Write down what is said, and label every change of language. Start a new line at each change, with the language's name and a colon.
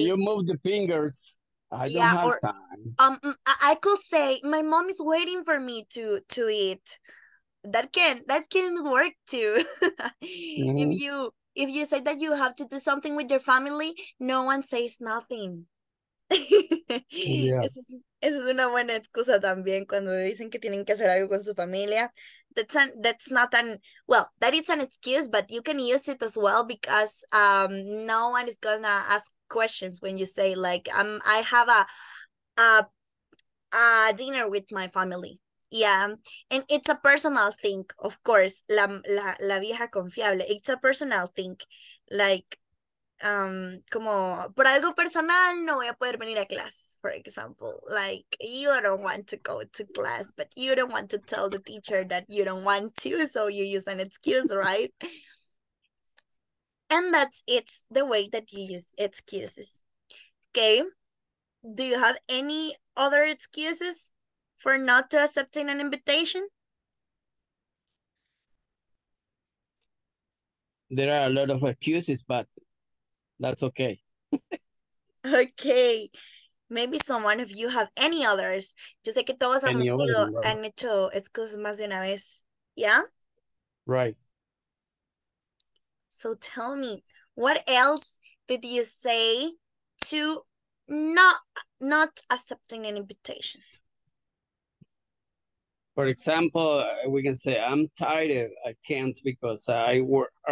English: Can you move the fingers? I don't have time. I could say, my mom is waiting for me to eat. That can work too. Mm-hmm. If you say that you have to do something with your family, no one says nothing.
Spanish: Esa es una buena excusa también cuando dicen que tienen que hacer algo con su familia.
English: That is an excuse, but you can use it as well because no one is gonna ask questions when you say like I have a dinner with my family. Yeah, and it's a personal thing, of course.
Spanish: La vieja confiable.
English: It's a personal thing.
Spanish: Like, como, por algo personal, no voy a poder venir a clases,
English: for example. Like, you don't want to go to class, but you don't want to tell the teacher that you don't want to, so you use an excuse, right? And it's the way that you use excuses. Okay, do you have any other excuses for not accepting an invitation? There are a lot of excuses, but that's okay. Okay. Maybe someone of you have any others.
Spanish: Yo sé que todos han hecho excusas más de una vez.
English: Yeah? Right. So tell me, what else did you say to not accepting an invitation? For example, we can say, I'm tired, I can't because I work.